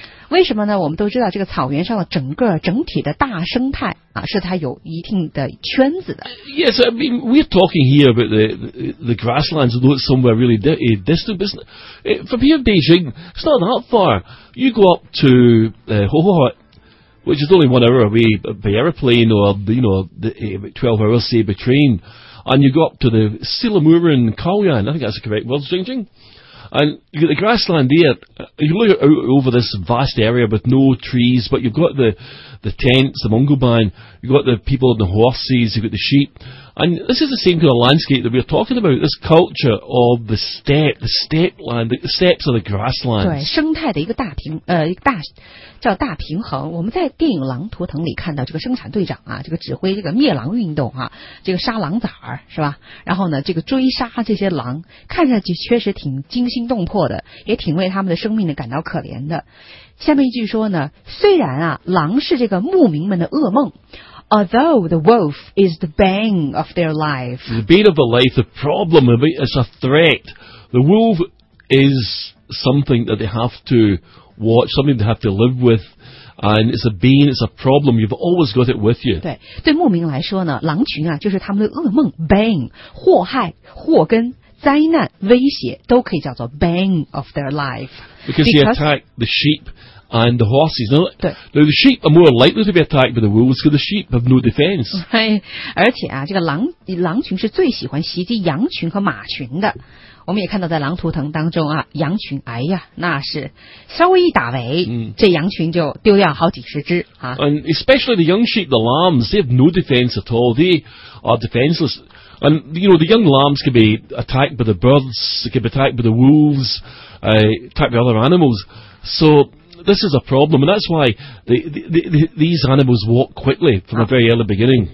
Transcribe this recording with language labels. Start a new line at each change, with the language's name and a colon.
Chinese: 为什么呢？我们都知道这个草原上的整体的大生态啊，是它有一定的圈子的。
English: Yes, I mean we're talking here about the grasslands, although it's somewhere really distant. But from here in Beijing, it's not that far. You go up to Hohhot, which is only 1 hour away by aeroplane, or you know, about 12 hours say by train, and you go up to the Silamurin Kalyan. I think that's the correct word, Jingjing. And you've got the grassland there, you look out over this vast area with no trees, but you've got the tents, the mongoban, you've got the people on the horses, you've got the sheep, And this is the same kind of landscape that we're talking about, this culture of the steppe, the steppe land, the steppes or the grasslands.
Chinese: 对，生态的一个大平，一个大叫大平衡。我们在电影《狼图腾》里看到这个生产队长啊，这个指挥这个灭狼运动啊，这个杀狼崽儿是吧？然后呢，这个追杀这些狼，看上去确实挺惊心动魄的，也挺为他们的生命的感到可怜的。下面一句说呢，虽然啊，狼是这个牧民们的噩梦。
English: Although the wolf is the bane of their life. The bane of the life, the problem of it is a threat. The wolf is something that they have to watch, something they have to live with. And it's a bane, it's a problem. You've always got it with you.
Chinese: 对，对牧民来说呢，狼群啊，就是他们的噩梦 ,bane, 祸害，祸根。灾难、威胁都可以叫做
English: bane of their life. Because they attack the sheep and the horses. Now,
Chinese: 对
English: now, the sheep are more likely to be attacked by the wolves because the sheep have no defense.
Chinese: 而且啊，这个狼群是最喜欢袭击羊群和马群的。我们也看到在狼图腾当中啊，羊群，哎呀，那是稍微一打围，这羊群就丢掉好几十只啊。
English: And especially the young sheep, the lambs, they have no defense at all. They are defenseless. And, you know, the young lambs can be attacked by the birds, they can be attacked by the wolves, attacked by other animals. So, this is a problem, and that's why these animals walk quickly from a very early beginning.